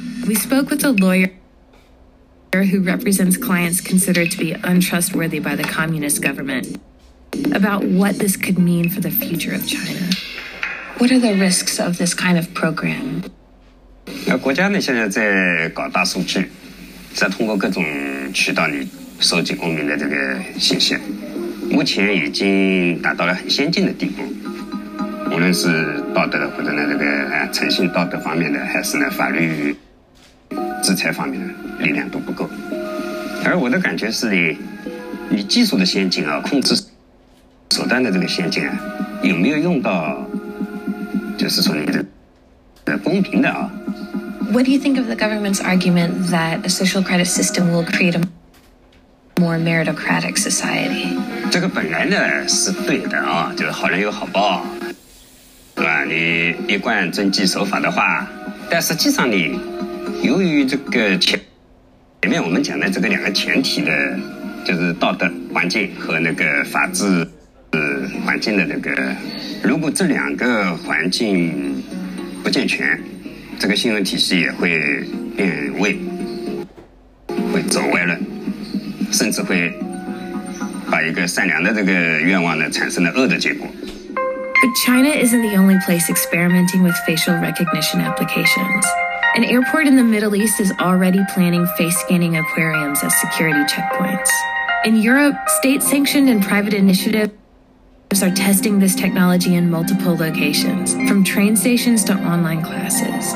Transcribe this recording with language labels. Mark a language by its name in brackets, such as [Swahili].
[English] We spoke with a lawyer who represents clients considered to be untrustworthy by the communist government about what this could mean for the future of China. What are the risks of this kind of program? The government is now doing data collection, through various channels to collect the citizens' information. At the moment, it has reached a very advanced level. [Chinese] 无论是道德或者呢这个诚信道德方面的，还是呢法律制裁方面的力量都不够。而我的感觉是呢，你技术的先进啊，控制手段的这个先进啊，有没有用到，就是说你的公平的啊 [English] ？What do you think of the government's argument that a social credit system will create a more meritocratic society？ [Chinese] 这个本来呢是对的啊，就是好人有好报。对吧？你一贯遵纪守法的话，但实际上你，由于这个前面我们讲的这个两个前提的，就是道德环境和那个法治环境的那个，如果这两个环境不健全，这个信用体系也会变味，会走歪了，甚至会把一个善良的这个愿望呢，产生了恶的结果。 [English] But China isn't the only place experimenting with facial recognition applications. An airport in the Middle East is already planning face-scanning aquariums as security checkpoints. In Europe, state-sanctioned and private initiatives are testing this technology in multiple locations, from train stations to online classes.